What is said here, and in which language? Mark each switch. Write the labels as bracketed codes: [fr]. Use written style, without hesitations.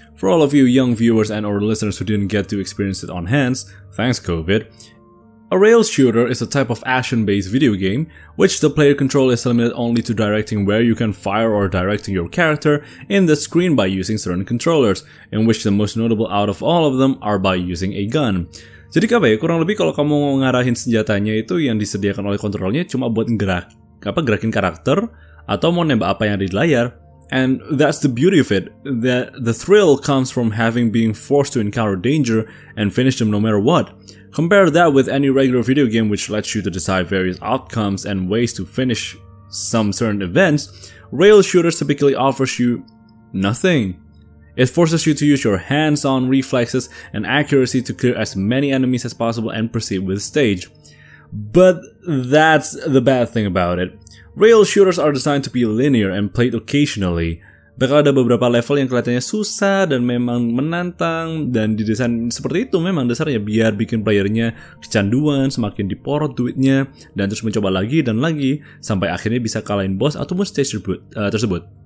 [en] For all of you young viewers and or listeners who didn't get to experience it on hands, thanks COVID. A rail shooter is a type of action-based video game, which the player control is limited only to directing where you can fire or directing your character in the screen by using certain controllers, in which the most notable out of all of them are by using a gun. [id] Jadi apa ya, kurang lebih kalau kamu ngarahin senjatanya itu yang disediakan oleh kontrolnya cuma buat gerakin karakter, atau mau nembak apa yang ada di layar. [en] And that's the beauty of it, that the thrill comes from having been forced to encounter danger and finish them no matter what. Compare that with any regular video game which lets you to decide various outcomes and ways to finish some certain events, rail shooters typically offers you nothing. It forces you to use your hands-on reflexes and accuracy to clear as many enemies as possible and proceed with the stage. But that's the bad thing about it. Rail shooters are designed to be linear and played occasionally. [id] Bakal ada beberapa level yang kelihatannya susah dan memang menantang dan didesain seperti itu memang dasarnya biar bikin playernya kecanduan, semakin diporot duitnya dan terus mencoba lagi dan lagi sampai akhirnya bisa kalahin boss ataupun stage tersebut.